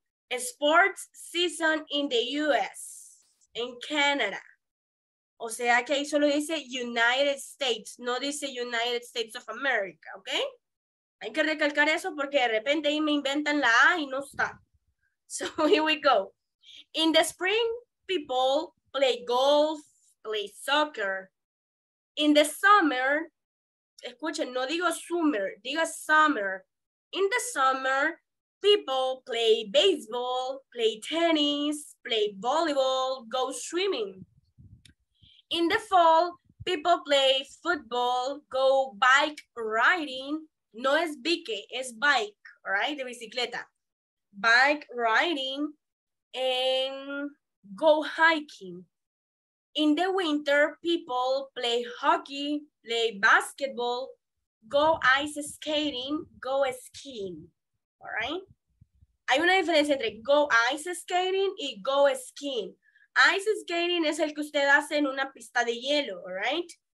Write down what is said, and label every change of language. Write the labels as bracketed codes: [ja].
[en] Sports season in the US, in Canada. [es] O sea que ahí solo dice United States, no dice United States of America, ¿ok? Hay que recalcar eso porque de repente ahí me inventan la A y no está. [en] So here we go. In the spring, people play golf, play soccer. In the summer, [es] escuchen, no digo [en] summer, digo summer. In the summer, people play baseball, play tennis, play volleyball, go swimming. In the fall, people play football, go bike riding. [es] No es bike, es bike, [en] right? [es] De bicicleta. [en] Bike riding and go hiking. In the winter, people play hockey, play basketball, go ice skating, go skiing, all right? [es] Hay una diferencia entre go ice skating y go skiing. Ice skating es el que usted hace en una pista de hielo, all right?